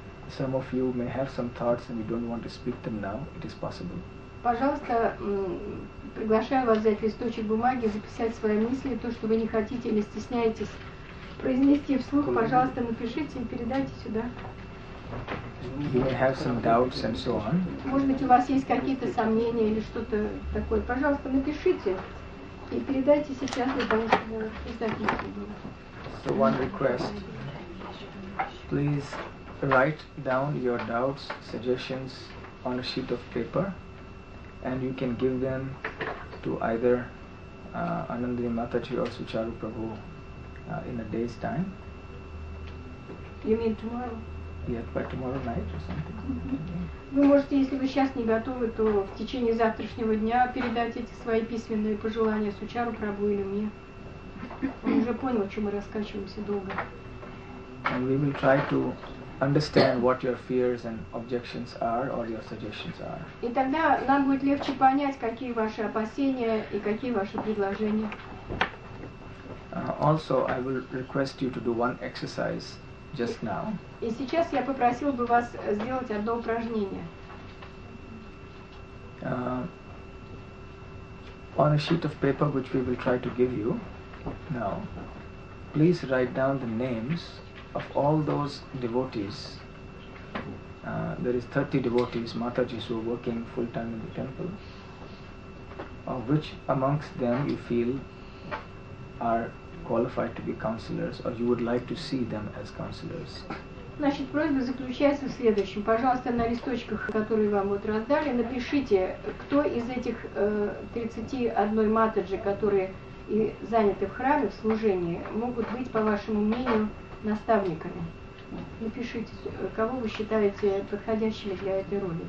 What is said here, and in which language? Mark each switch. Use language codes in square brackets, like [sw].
[en] Some of you may have some thoughts and you don't want to speak them now. It is possible. [ru] Пожалуйста, приглашаю вас взять листочек бумаги, записать свои мысли, то, что вы не хотите или стесняетесь произнести вслух, пожалуйста, напишите и передайте сюда. [en] You may have some doubts and so on. [ru] Может быть, у вас есть какие-то сомнения или что-то такое. Пожалуйста, напишите. И передайте сейчас для того, чтобы издать мысли. [en] So one request. Please write down your doubts, suggestions on a sheet of paper, and you can give them to either Anandini Mataji or Sucharu Prabhu in a day's time. You mean tomorrow? Yeah, by tomorrow night or something. [ru] Вы можете, если вы сейчас не готовы, то в течение завтрашнего дня передать эти свои письменные пожелания Сучару Прабу или мне. Он уже понял, что мы раскачиваемся долго. [en] And we will try to understand what your fears and objections are or your suggestions are. [ru] И тогда нам будет легче понять, какие ваши опасения и какие ваши предложения. [en] Also, I will request you to do one exercise. Just now. [ru] И сейчас я попросил бы вас сделать одно упражнение. [en] On a sheet of paper, which we will try to give you now, please write down the names of all those devotees. There is 30 devotees, Matajis, who are working full time in the temple. Of which amongst them you feel are qualified to be counselors, or you would like to see them as counselors. [ru] Значит, просьба заключается в следующем. Пожалуйста, на листочках, которые вам вот раздали, напишите, кто из этих 31 матаджи, которые и заняты в храме, в служении, могут быть, по вашему мнению, наставниками. Напишите, кого вы считаете подходящими для этой роли.